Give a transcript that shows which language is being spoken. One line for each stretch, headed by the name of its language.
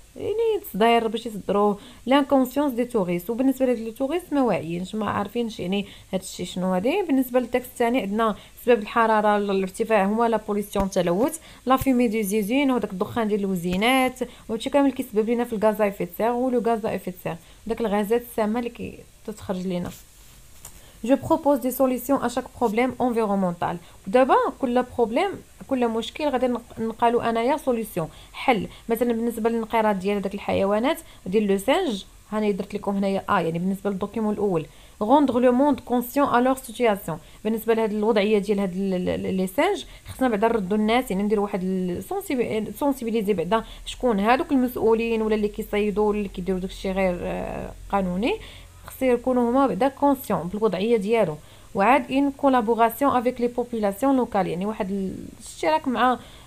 Arabic: يعني تصدير باش يصدروه لانكونسيونس دي توريست وبالنسبه لهاد لي توريست ما واعيينش ما عارفينش يعني هادشي شنو هادي بالنسبه للتاكس الثاني عندنا سبب الحراره الارتفاع هو لا بوليسيون التلوث لا فيمي دي زيزين وداك الدخان ديال الوزينات وهادشي كامل كيسبب لينا في الغازا اي فيتير ولو غازا اي فيتير داك الغازات السامه اللي كتخرج لينا.
French: Je propose des solutions à chaque problème environnemental.
Arabic: D'abord, كل problème, كل مشكل غادي نقالو انايا solution حل. مثلا بالنسبه للانقراض ديال داك الحيوانات ديال لو سينج هاني درت لكم هنايا يعني بالنسبه للدوكيمون الاول
French: rendre le monde conscient à leur situation.
Arabic: بالنسبه لهاد الوضعيه ديال هاد لي سينج خصنا بعدا نردو الناس يعني ندير واحد سونسيبيليزي بعدا شكون هادوك المسؤولين ولا اللي كيصيدوا اللي كيديروا داكشي غير قانوني خصير يكونوا هما بعدا كونسيون بالوضعيه ديالو وعاد ان كولابوراسيون افيك لي بوبولاسيون لوكال يعني واحد الاشتراك مع